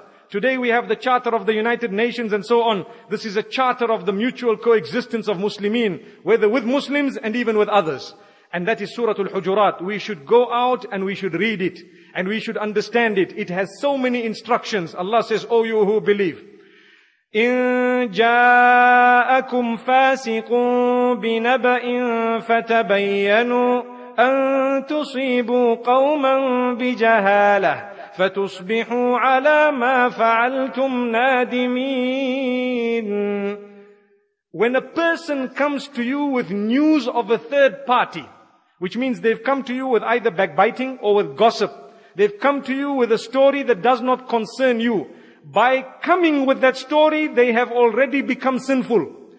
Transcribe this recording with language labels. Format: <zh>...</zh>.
<en>Today we have the charter of the United Nations and so on. This is a charter of the mutual coexistence of Muslimin, whether with Muslims and even with others. And that is Surah Al-Hujurat. We should go out and we should read it. And we should understand it. It has so many instructions. Allah says, O you who believe.</en> <ar>إن جاءكم فاسق بنبأ فتبينوا أن تصيبوا قوما بجهالة فتصبحوا على ما فعلتم نادمين.</ar> <en>When a person comes to you with news of a third party, which means they've come to you with either backbiting or with gossip, they've come to you with a story that does not concern you. By coming with that story, they have already become sinful.</en>